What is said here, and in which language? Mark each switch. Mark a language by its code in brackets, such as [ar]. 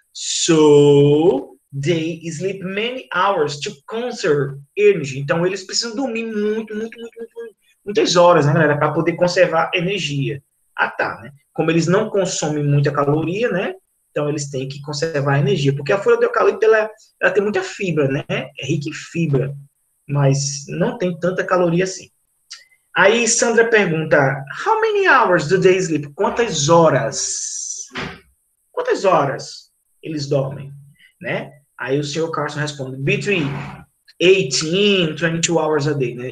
[en] So, they sleep many hours to conserve energy. [pt] Então, eles precisam dormir muito, muito, muito, muito, muitas horas, né, galera, para poder conservar energia. Ah, tá, né? Como eles não consomem muita caloria, né? Então, eles têm que conservar energia. Porque a folha do eucalipto, ela tem muita fibra, né? É rica em fibra. Mas não tem tanta caloria assim. Aí, Sandra pergunta, [en] How many hours do they sleep? [pt] Quantas horas? Quantas horas eles dormem, né? Aí o Sr. [en] Carson responde, between 18 and 22 hours a day, né?